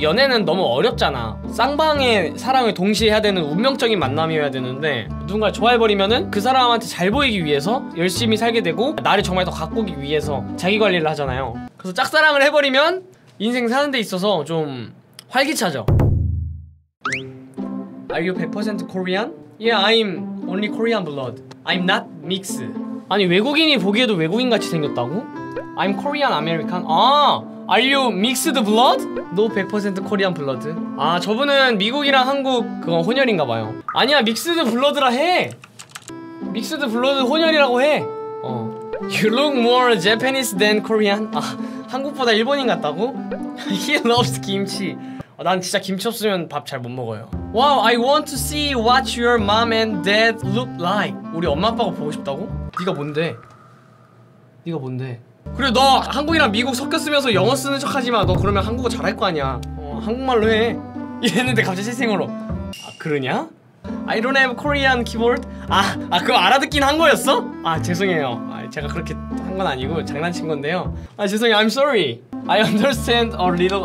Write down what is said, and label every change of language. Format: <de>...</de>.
<ko>연애는 너무 어렵잖아. 쌍방의 사랑을 동시에 해야 되는 운명적인 만남이어야 되는데, 누군가를 좋아해버리면은 그 사람한테 잘 보이기 위해서 열심히 살게 되고 나를 정말 더 가꾸기 위해서 자기관리를 하잖아요. 그래서 짝사랑을 해버리면 인생 사는 데 있어서 좀 활기차죠.</ko> <en>Are you 100% Korean? Yeah, I'm only Korean blood. I'm not mixed.</en> <ko>아니, 외국인이 보기에도 외국인같이 생겼다고?</ko> <en>I'm Korean American. 아, Are you mixed blood? No, 100% Korean blood.</en> <ko>아, 저분은 미국이랑 한국 그건 혼혈인가 봐요. 아니야, mixed blood라 해. Mixed blood 혼혈이라고 해.</ko> <en>You look more Japanese than Korean.</en> <ko>아, 한국보다 일본인 같다고?</ko> <en>He loves kimchi.</en> <ko>난 진짜 김치 없으면 밥 잘 못 먹어요.</ko> <en>Wow, I want to see what your mom and dad look like.</en> <ko>우리 엄마 아빠가 보고 싶다고? 네가 뭔데? 네가 뭔데? 그래, 너 한국이랑 미국 섞였으면서 영어 쓰는 척하지 마. 너 그러면 한국어 잘할 거 아니야. 한국말로 해. 이랬는데 갑자기 실생으로. 아, 그러냐?</ko> <en>I don't have Korean keyboard.</en> <ko>아, 그거 알아듣긴 한 거였어? 아, 죄송해요. 아, 제가 그렇게 한 건 아니고 장난친 건데요. 아, 죄송해요.</ko> <en>I'm sorry. I understand a little.</en>